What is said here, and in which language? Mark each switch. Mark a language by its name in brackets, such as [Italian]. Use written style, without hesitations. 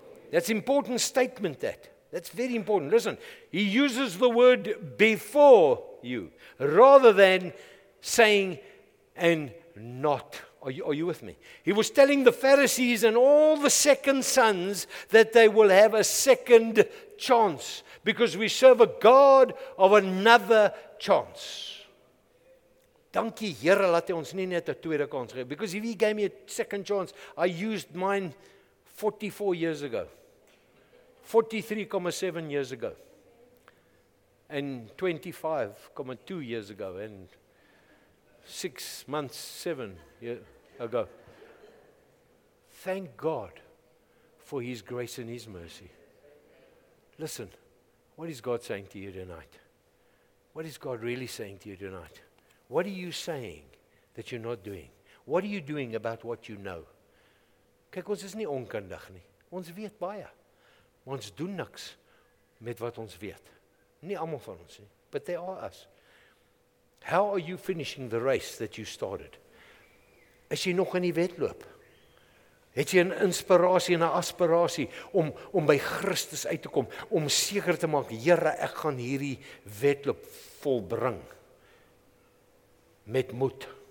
[English] That's important statement that. That's very important. Listen, he uses the word before you rather than saying and not. Are you with me? He was telling the Pharisees and all the second sons that they will have a second chance because we serve a God of another chance. [Afrikaans] Dankie Here, laat hy ons nie net 'n tweede kans gee. [English] Because if he gave me a second chance, I used mine 44 years ago. 43.7 years ago. And 25.2 years ago. And 6 months, 7 years ago. Thank God for His grace and His mercy. Listen, what is God saying to you tonight? What is God really saying to you tonight? What are you saying that you're not doing? What are you doing about what you know? [Afrikaans] Kijk, ons is nie onkundig nie. Ons weet baie. Ons doen niks met wat ons weet. Nie allemaal van ons nie. [English] But they are us. How are you finishing the race that you started? [Afrikaans] Is jy nog in die wedloop? Het jy 'n inspirasie en 'n aspirasie om by Christus uit te kom, om seker te maak, Here, ek gaan hierdie wedloop volbring met moed.